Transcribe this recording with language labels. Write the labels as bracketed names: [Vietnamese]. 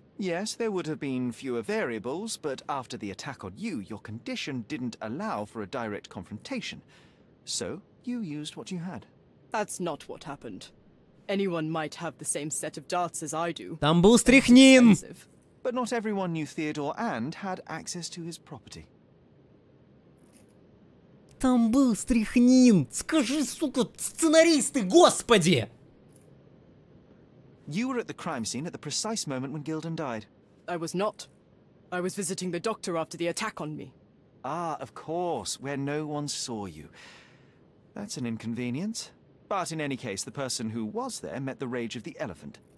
[English] Yes, there would have been fewer variables, but after the attack on you, your condition didn't allow for a direct confrontation. So, you used what you had. That's not what happened. Anyone might have the same set of darts as I do. [Russian] Там был стрихнин! [English] But not everyone knew Theodore and had access to his property. Там был стрихнин! [Russian] Скажи, сука, сценаристы, господи! [English] You were at the crime scene at the precise moment when Gildon died. I was not. I was visiting the doctor after the attack on me. Ah, of course, where no one saw you. That's an inconvenience. But in any case, the person who was there met the rage of the elephant.